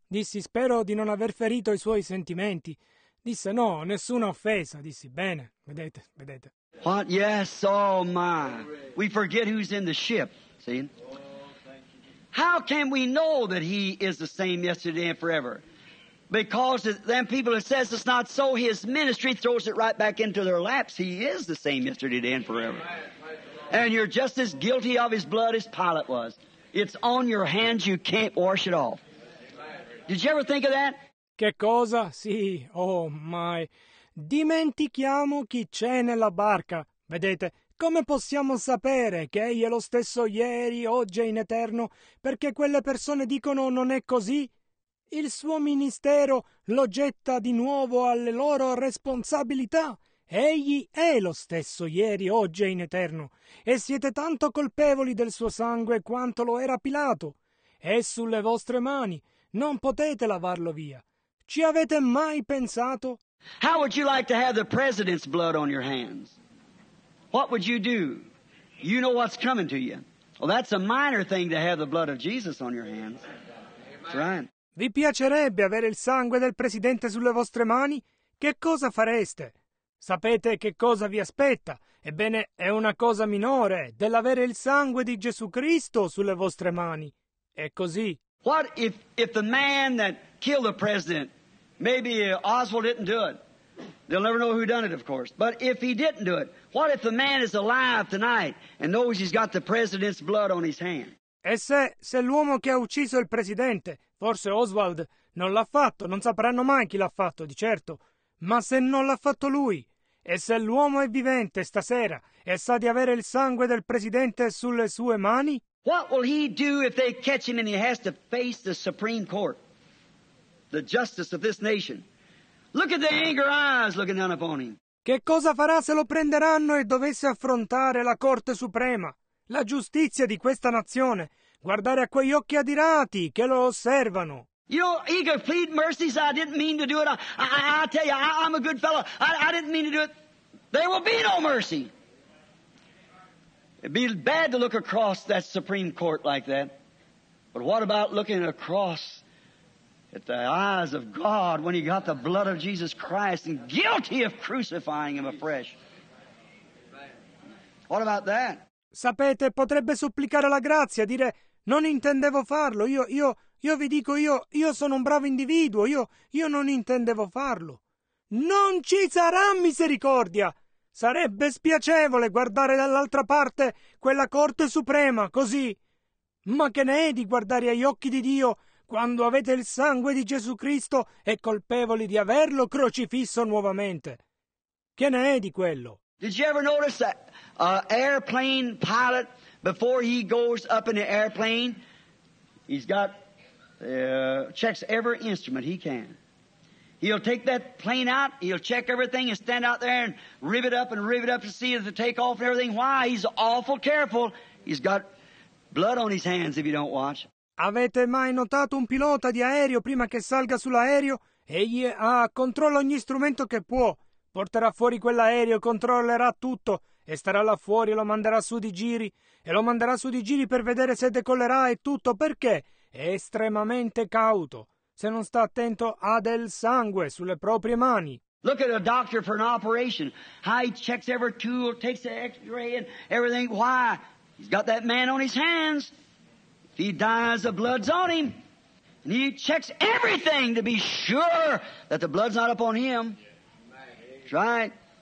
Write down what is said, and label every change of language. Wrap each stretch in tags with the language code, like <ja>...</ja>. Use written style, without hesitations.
<it>Dissi, spero di non aver ferito i suoi sentimenti. Disse, no, nessuna offesa. Dissi, bene, vedete, vedete.</it> <en>What? Yes, oh my. We forget who's in the ship, see? How can we know that he is the same yesterday and forever? Because them people that says it's not so, his ministry throws it right back into their laps. He is the same yesterday, today, and forever. And you're just as guilty of his blood as Pilate was. It's on your hands, you can't wash it off. Did you ever think of that?</en> <it>Che cosa? Sì,</it> <en>oh my.</en> <it>Dimentichiamo chi c'è nella barca. Vedete, come possiamo sapere che egli è lo stesso ieri, oggi e in eterno, perché quelle persone dicono non è così? Il suo ministero lo getta di nuovo alle loro responsabilità. Egli è lo stesso ieri, oggi e in eterno, e siete tanto colpevoli del suo sangue quanto lo era Pilato. È sulle vostre mani, non potete lavarlo via. Ci avete mai pensato?</it> <en>How would you like to have the president's blood on your hands? What would you do? You know what's coming to you. Well, that's a minor thing to have the blood of Jesus on your hands. That's right.</en> <it>Vi piacerebbe avere il sangue del presidente sulle vostre mani? Che cosa fareste? Sapete che cosa vi aspetta? Ebbene, è una cosa minore dell'avere il sangue di Gesù Cristo sulle vostre mani. È così.</it> <en>What if the man that killed the president, maybe Oswald didn't do it. They'll never know who done it, of course. But if he didn't do it, what if the man is alive tonight and knows he's got the president's blood on his hand?</en> <it>E se l'uomo che ha ucciso il presidente, forse Oswald, non l'ha fatto, non sapranno mai chi l'ha fatto, di certo. Ma se non l'ha fatto lui, e se l'uomo è vivente stasera e sa di avere il sangue del presidente sulle sue mani?</it> <en>What will he do if they catch him and he has to face the Supreme Court, the justice of this nation? Look at the anger eyes looking down upon him.</en> <it>Che cosa farà se lo prenderanno e dovesse affrontare la Corte Suprema, la giustizia di questa nazione, guardare a quegli occhi adirati che lo osservano?</it> <en>You know, he could plead mercy, say, I didn't mean to do it. I tell you, I'm a good fellow. I didn't mean to do it. There will be no mercy. It'd be bad to look across that Supreme Court like that. But what about looking across at the eyes of God when he got the blood of Jesus Christ and guilty of crucifying him afresh? What about that?</en> <it>Sapete, potrebbe supplicare la grazia, dire, non intendevo farlo, io vi dico, io sono un bravo individuo, io non intendevo farlo. Non ci sarà misericordia! Sarebbe spiacevole guardare dall'altra parte quella Corte Suprema, così. Ma che ne è di guardare agli occhi di Dio quando avete il sangue di Gesù Cristo e colpevoli di averlo crocifisso nuovamente? Che ne è di quello?</it> <en>Did you ever notice that airplane pilot, before he goes up in the airplane, he's got checks every instrument he can. He'll take that plane out, he'll check everything and stand out there and rivet up to see if the takeoff and everything. Why? He's awful careful. He's got blood on his hands if you don't watch.</en> <it>Avete mai notato un pilota di aereo prima che salga sull'aereo? Egli ha controllo ogni strumento che può. Porterà fuori quell'aereo, controllerà tutto e starà là fuori e lo manderà su di giri. E lo manderà su di giri per vedere se decollerà e tutto. Perché? È estremamente cauto. Se non sta attento, ha del sangue sulle proprie mani.</it> <en>Look at a doctor for an operation. How he checks every tool, takes the x-ray and everything. Why? He's got that man on his hands. If he dies, the blood's on him. And he checks everything to be sure that the blood's not up on him. That's right.</en>